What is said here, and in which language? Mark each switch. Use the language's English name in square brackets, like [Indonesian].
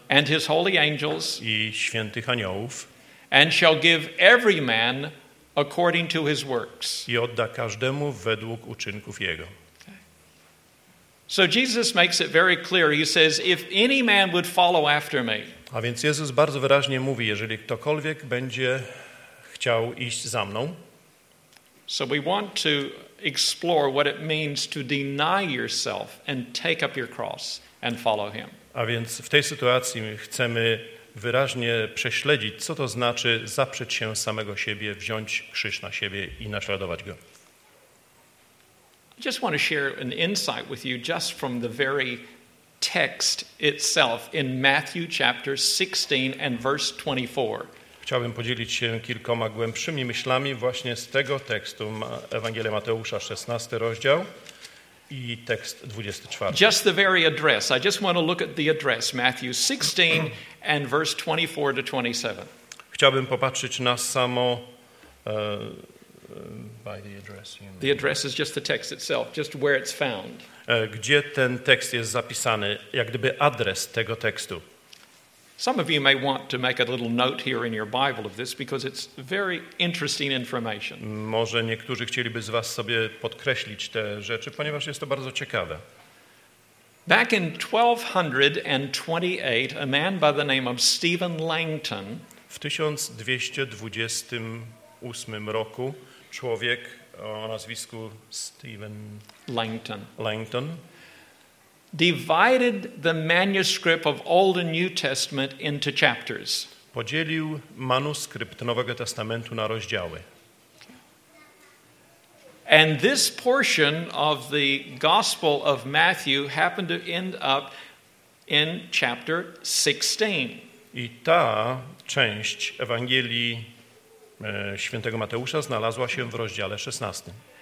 [English] And his holy angels. [Polish] I świętych aniołów. [English] And shall give every man according to his works. [Polish] I odda każdemu według uczynków jego. [English] So Jesus makes it very clear. He says, if any man would follow after me. [Polish] A więc Jezus bardzo wyraźnie mówi, jeżeli ktokolwiek będzie chciał iść za mną. [English] So we want to explore what it means to deny yourself and take up your cross and follow him. [Polish] A więc w tej sytuacji chcemy wyraźnie prześledzić, co to znaczy zaprzeć się samego siebie, wziąć krzyż na siebie i naśladować go. [English] I just want to share an insight with you just from the very text itself in Matthew chapter 16 and verse 24. [Polish] Chciałbym podzielić się kilkoma głębszymi myślami właśnie z tego tekstu Ewangelii Mateusza 16 rozdział i tekst 24. [English] Just the very address. I just want to look at the address Matthew 16 and verse 24 to 27. [Polish] Chciałbym popatrzeć na samo [English] by the address. You know. The address is just the text itself, just where it's found. [Polish] Gdzie ten tekst jest zapisany, jak gdyby adres tego tekstu. [English] Some of you may want to make a little note here in your Bible of this because it's very interesting information. [Polish] Może niektórzy chcieliby z was sobie podkreślić te rzeczy, ponieważ jest to bardzo ciekawe. [English] Back in 1228, a man by the name of Stephen Langton. [Polish] W 1228 roku człowiek o nazwisku Stephen [English] Langton divided the manuscript of Old and New Testament into chapters. [Polish] Podzielił manuskrypt Nowego Testamentu na rozdziały. [English] And this portion of the Gospel of Matthew happened to end up in chapter 16. [Polish] I ta część Ewangelii Świętego Mateusza znalazła się w rozdziale 16.